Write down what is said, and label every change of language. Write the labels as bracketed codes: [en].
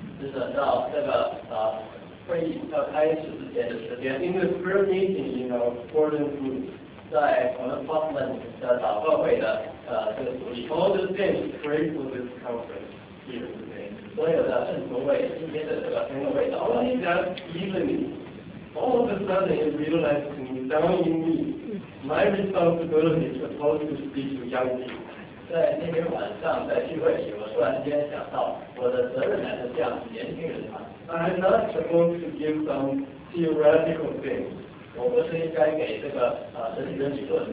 [zh] 就是到这个会议要开始之前的时间。 [en] In the prayer meeting, you know, for the group, [zh] 在我们方面的祷告会的这个组里 [en] ，all the saints pray for this conference here today. [zh] 所有的圣徒为今天的这个圣会祷告。 [en] Only that evening, all of a sudden, it realized to me, down in me, my responsibility is supposed to speak to young people. [zh] 在那天晚上，在聚会里，我突然间想到，我的责任还是向年轻人传。 [en] I'm not supposed to give some theoretical things. [zh] 我不是应该给这个神学理论